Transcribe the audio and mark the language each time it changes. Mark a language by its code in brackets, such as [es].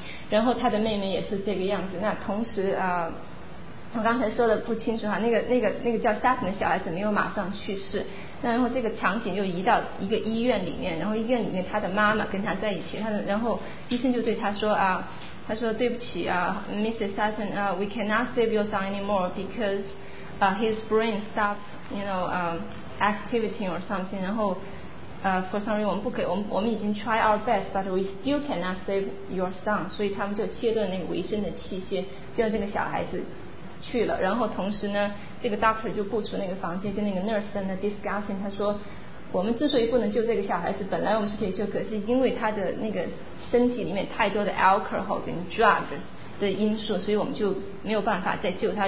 [zh] 然后他的妹妹也是这个样子。那同时我刚才说的不清楚哈，那个叫 Sutton 的小孩子没有马上去世。那然后这个场景又移到一个医院里面，然后医院里面他的妈妈跟他在一起，然后医生就对他说他说对不起Mrs. [en] Sutton， we cannot save your son anymore because his brain stopped activity or something。 [zh] 然后 [en] for some reason [zh] 我们已经 [en] try our best, but we still cannot save your son. [zh] 所以他们就切断那个维生的器械，叫这个小孩子去了。然后同时呢，这个 doctor 就步出那个房间，跟那个 nurse 在那 discussing。他说，我们之所以不能救这个小孩子，本来我们是可以救，可是因为他的那个身体里面太多的 alcohol 跟 drug 的因素，所以我们就没有办法再救他。